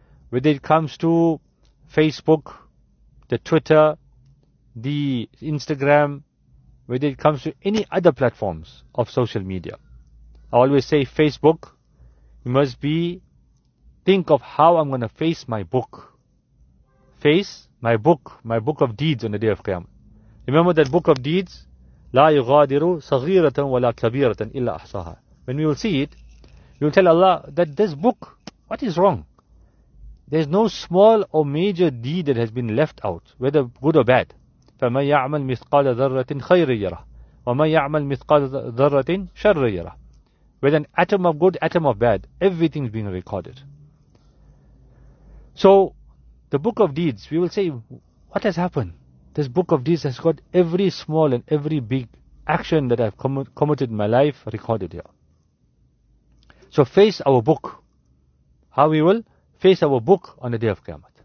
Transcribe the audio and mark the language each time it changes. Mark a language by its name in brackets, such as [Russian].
[English] Whether it comes to Facebook, the Twitter, the Instagram, whether it comes to any other platforms of social media. I always say Facebook, you must be, think of how I'm going to face my book. Face my book of deeds on the day of Qiyamah. Remember that book of deeds? [Arabic] لا يغادر صغيرة ولا كبيرة إلا أحصاها. [English] When we will see it, you'll tell Allah that this book, what is wrong? There's no small or major deed that has been left out, whether good or bad. [Arabic] فَمَنْ يَعْمَلْ مِثْقَالَ ذَرَّةٍ خَيْرٍ يَرَهُ وَمَنْ يَعْمَلْ مِثْقَالَ ذَرَّةٍ شَرٍّ يَرَهُ. [English] With an atom of good, atom of bad, everything's being recorded. So, the book of deeds, we will say, what has happened? This book of deeds has got every small and every big action that I've committed in my life recorded here. So face our book. How we will? Face our book on the day of Qiyamah.